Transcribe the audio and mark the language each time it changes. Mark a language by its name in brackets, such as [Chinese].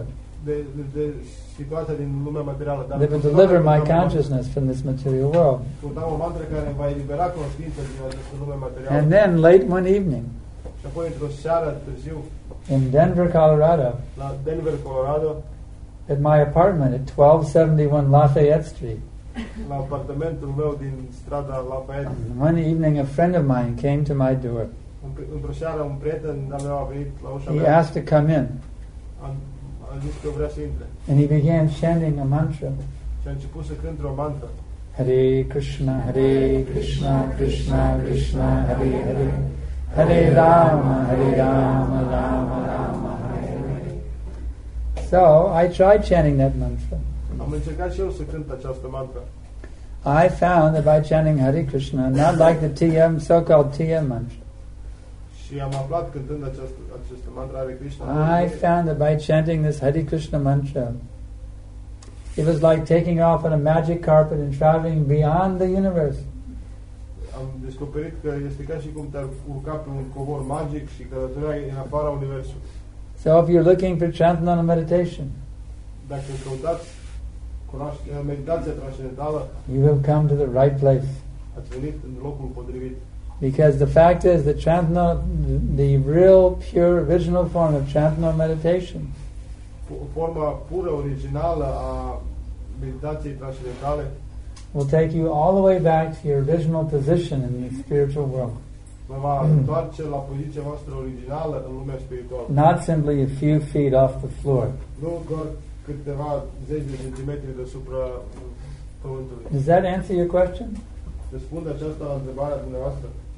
[Romanian] The situația din lumea materială, [English] dar to deliver my consciousness from this material world. [Romanian] Căutam o mantră care va elibera conștiința din această lume materială. [English] And then late one evening. [Romanian] Și apoi într-o seară târziu. [English] In Denver, Colorado. [Romanian] La Denver, Colorado. [English] At my apartment at 1271 Lafayette Street. [Romanian] La apartamentul meu din strada Lafayette. [English] One evening a friend of mine came to my door. [Romanian] Într-o seară un prieten al meu a venit la ușa [English] he [Romanian] mea. [English] Asked to come in. [Romanian] A zis că vrea să intre. [English] And he began chanting a mantra. [Romanian] Și a început să cânte o mantră. [Sanskrit] Hare Krishna, Hare Krishna, Krishna Krishna, Hare Hare. Hare Rama, Hare Rama, Rama Rama, Hare Hare. [English] So, I tried chanting that mantra. [Romanian] Am încercat și eu să cânt această mantră. [English] I found that by chanting Hare Krishna, not like the TM, so-called TM mantra. [Romanian] Și am aflat cântând această mantra Hare Krishna. [English] I found that by chanting this Hare Krishna mantra, it was like taking off on a magic carpet and traveling beyond the universe. [Romanian] Am descoperit că este ca și cum te-ar urca pe un covor magic și călătoria în afara universului. [English] So if you're looking for transcendental meditation, [Romanian] dacă căutați meditația transcendentală. [English] You have come to the right place. [Romanian] Ați venit în locul potrivit. [English] Because the fact is that Chantana, the real, pure, original form of Chantana meditation, [Romanian] forma pură, originală a meditației transcendentale, [English] will take you all the way back to your original position in the spiritual world. [Romanian] Vă va întoarce la poziția voastră originală în lumea spirituală. [English] Not simply a few feet off the floor. [Romanian] Nu doar câteva zeci de centimetri deasupra pământului. [English] Does that answer your question? [Romanian] Răspunde aceasta la întrebarea dumneavoastră?